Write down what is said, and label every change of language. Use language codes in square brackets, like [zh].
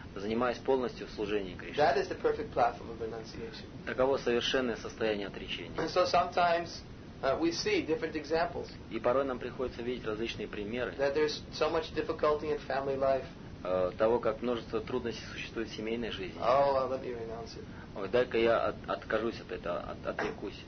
[ru] Занимаясь полностью в служении Кришне. [en] That is the perfect platform of renunciation. [ru] Таково совершенное состояние отречения. [en] And so sometimes we see different examples. [ru] И порой нам приходится видеть различные примеры. [en] That there's so much difficulty in family life. [ru] Того, как множество трудностей существует в семейной жизни. [en] Oh, well, let me renounce it. [ru] Ой, дай-ка я откажусь от этого, отрекусь.